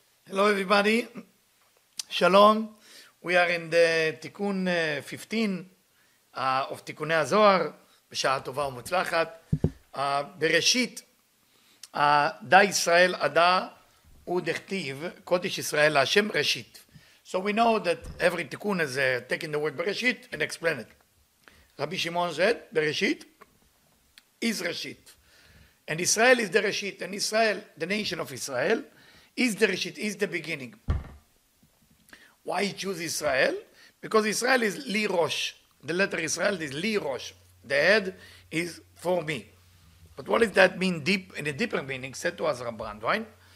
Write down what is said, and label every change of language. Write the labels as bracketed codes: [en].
[en] Hello everybody. Shalom, we are in the Tikkun 15 of Tikkunei Zohar, [he] בשעה טובה ומוצלחת. בראשית, דא ישראל עדה ודכתיב, קודש ישראל להשם ראשית. [en] So we know that every Tikkun is taking the word בראשית and explain it. רבי שמעון said, בראשית is ראשית. And Israel is the ראשית, and Israel, the nation of Israel, is the ראשית, is the beginning. Why choose Israel? Because Israel is Li Rosh. The letter Israel is Li Rosh. The head is for me. But what does that mean deep in a deeper meaning? Said to Azra Brandwein.